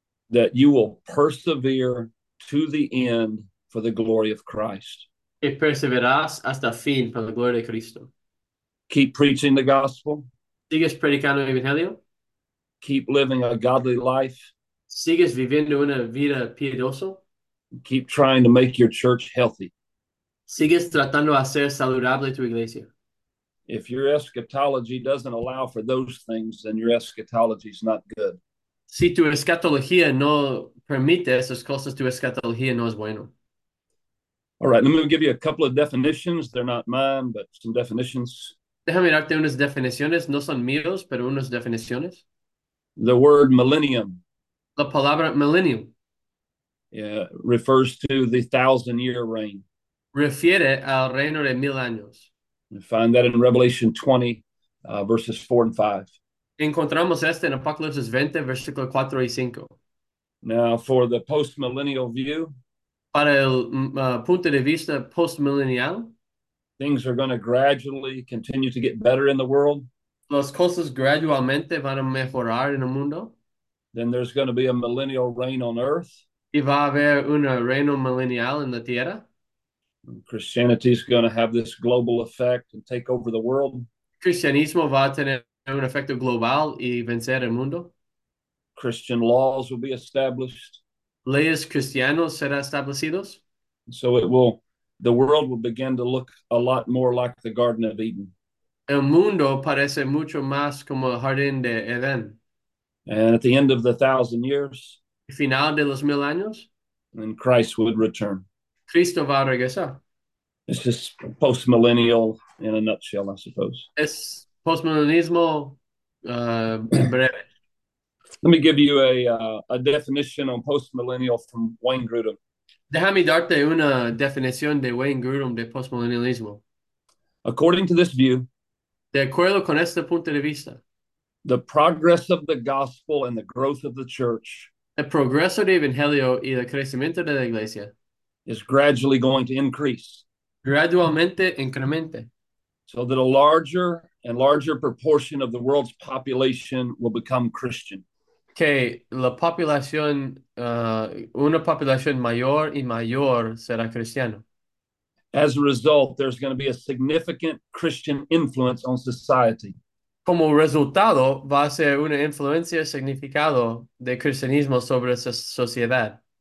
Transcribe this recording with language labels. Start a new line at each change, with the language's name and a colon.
English: that you will persevere to the end for the glory of Christ.
Spanish: que perseverarás hasta el fin para la gloria de Cristo.
English: Keep preaching the gospel.
Spanish: ¿Sigues predicando el Evangelio?
English: Keep living a godly life.
Spanish: ¿Sigues viviendo una vida piadosa?
English: Keep trying to make your church healthy.
Spanish: ¿Sigues tratando de hacer saludable tu iglesia?
English: If your eschatology doesn't allow for those things, then your eschatology is not good.
Spanish: Si tu escatología no permite esas cosas, tu escatología no es bueno.
English: All right, let me give you a couple of definitions. They're not mine, but some definitions.
Spanish: Déjame darte unas definiciones, no son míos, pero unas definiciones.
English: The word millennium.
Spanish: La palabra millennium
English: Refers to the thousand-year reign.
Spanish: refiere al reino de 1000 años.
English: You find that in Revelation 20, verses 4 and 5.
Spanish: Encontramos este en Apocalipsis 20, versículo 4 y 5.
English: Now, for the post-millennial view,
Spanish: Para el punto de vista postmillennial,
English: things are going to gradually continue to get better in the world.
Spanish: las cosas gradualmente van a mejorar en el mundo.
English: Then there's going to be a millennial reign on earth.
Spanish: Y va a haber un reino millennial en la tierra.
English: Christianity is going to have this global effect and take over the world.
Spanish: Cristianismo va a tener un efecto global y vencer el mundo.
English: Christian laws will be established.
Spanish: Leyes cristianos serán establecidos.
English: So it will, the world will begin to look a lot more like the Garden of Eden.
Spanish: El mundo parece mucho más como el jardín de Edén.
English: And at the end of the thousand years,
Spanish: El final de los 1000 años,
English: then Christ would return.
Spanish: Cristo va a regresar.
English: It's just post-millennial in a nutshell, I suppose.
Spanish: Es postmodernismo breve.
English: Me give you a definition on post-millennial from Wayne Grudem.
Spanish: Déjame darte una definición de Wayne Grudem de postmodernismo.
English: According to this view,
Spanish: De acuerdo con este punto de vista,
English: The progress of the gospel and the growth of the church
Spanish: el progreso de Evangelio y el crecimiento de la iglesia
English: is gradually going to increase
Spanish: gradualmente incremente.
English: so that a larger and larger proportion of the world's population will become Christian.
Spanish: Que la población, una población mayor y mayor será cristiano.
English: As a result, there's going to be a significant Christian influence on society.
Spanish: Como resultado, va a ser una influencia significado de cristianismo sobre esa sociedad.